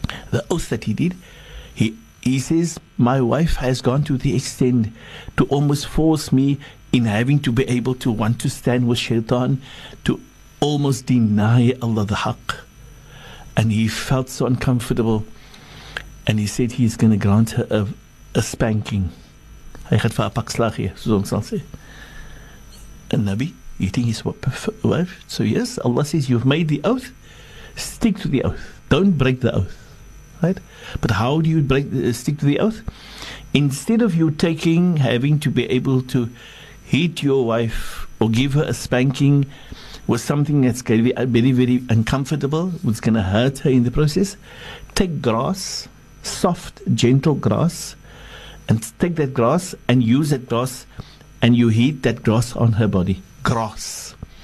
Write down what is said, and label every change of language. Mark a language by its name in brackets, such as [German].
[English] The oath that he did, he says, my wife has gone to the extent to almost force me in having to be able to want to stand with shaitan, to almost deny Allah the haqq. And he felt so uncomfortable. And he said he's going to grant her a spanking. [Afrikaans] Hy gaat vir haar pak slag gee, soos ons sal sê. [English] And Nabi, you think he's what? So yes, Allah says you've made the oath. Stick to the oath. Don't break the oath. Right? But how do you stick to the oath? Instead of you having to be able to hit your wife or give her a spanking with something that's going to be very, very uncomfortable, what's going to hurt her in the process, take grass, soft, gentle grass, and take that grass and use that grass, and you heat that grass on her body. Grass.